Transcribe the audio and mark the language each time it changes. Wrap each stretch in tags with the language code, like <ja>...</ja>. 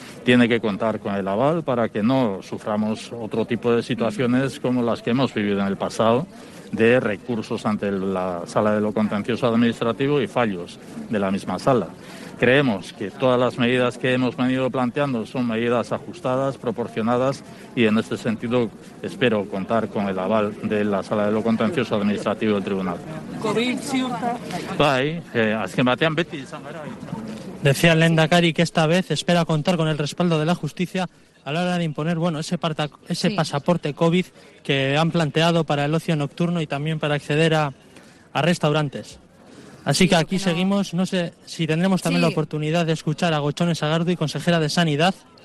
<es>tiene que contar con el aval para que no suframos otro tipo de situaciones como las que hemos vivido en el pasado, de recursos ante la sala de lo contencioso administrativo y fallos de la misma sala. Creemos que todas las medidas que hemos venido planteando son medidas ajustadas, proporcionadas, y en este sentido espero contar con el aval de la sala de lo contencioso administrativo del tribunal.</es> <eu>Bai, azken batean beti izan gara.</eu> <es>Decía el lehendakari que esta vez espera contar con el respaldo de la justicia a la hora de imponer, bueno, ese pasaporte COVID que han planteado para el ocio nocturno y también para acceder a restaurantes. Así que aquí seguimos. No sé si tendremos también la oportunidad de escuchar a Gotxone Sagardui, consejera de Sanidad.</es>